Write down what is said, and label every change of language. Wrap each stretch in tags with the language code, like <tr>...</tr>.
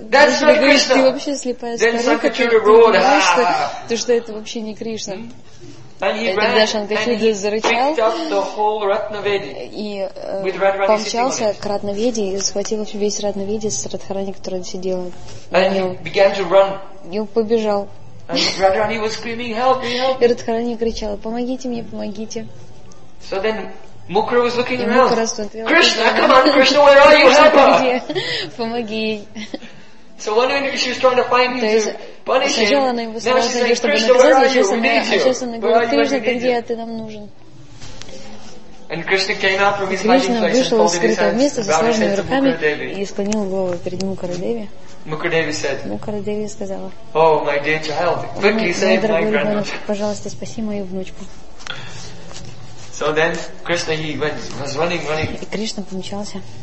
<ru>Ты вообще слепая старуха, ты понимаешь, что это вообще не Кришна. Тогда Шанкачюда зарычал и помчался к Ратнаведе и схватил весь Ратнаведе с Радхарани, которая сидела на нем. И он побежал.</ru> <en>And Radharani was screaming, "Help me, help me!"</en> <ru>Радхарани кричала: помогите мне, помогите.</ru> <en>So then Mukra was looking around.</en> <ru>Мукра смотрела.</ru> <en>Krishna, come on, Krishna, where are you? Help her!</en> <ru>Помоги.</ru> <en>So wondering if she was trying to find him to punish him.</en> <ru>Сначала она его сразу же, чтобы наказать, сейчас она говорит: Кришна, ты где, ты нам нужен?</ru> <en>And Krishna came out from his hiding place and folded his hands.</en> <ru>Вышел из скрытого места со сложными руками и склонил голову перед Мукрадеви. Мукрадеви сказала:</ru> <en>О, my dear child, quickly save my granddaughter.</en> <ru>Пожалуйста, спаси мою внучку.</ru> <en>So then Krishna was running.</en> <ru>И Кришна помчался.</ru>